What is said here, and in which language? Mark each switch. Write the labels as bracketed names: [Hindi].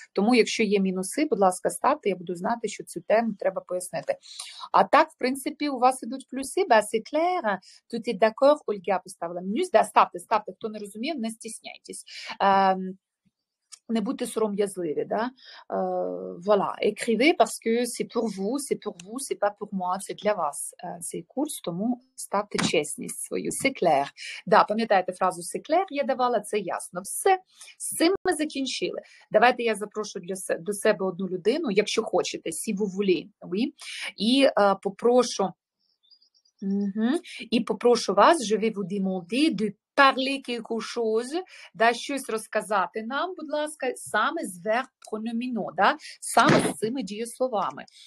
[Ukrainian] Тому, якщо є мінуси, будь ласка, ставте, я буду знати, що цю тему треба пояснити. А так, в принципі, у вас ідуть плюси, ба сі клера, тут і дакор, Ольга поставила мінус, да, ставте, ставте, хто не розумів, не стісняйтесь. Не будьте сором'язливі, да? [French] Voilà, écrivez parce que c'est pour vous, c'est pas pour moi, c'est [Ukrainian] для вас цей курс, тому ставте чесність свою, [French] c'est clair. [Ukrainian] Да, пам'ятаєте фразу [French] c'est clair, [Ukrainian] я давала, це ясно. Все, з цим ми закінчили. Давайте я запрошу до себе одну людину, якщо хочете, [French] si vous voulez, oui, [Ukrainian] і попрошу, і попрошу вас, [French] je vais vous demander de parler quelque chose, [Ukrainian] да, щось розказати нам, будь ласка, саме з verb pronomino, да, саме з цими дієсловами.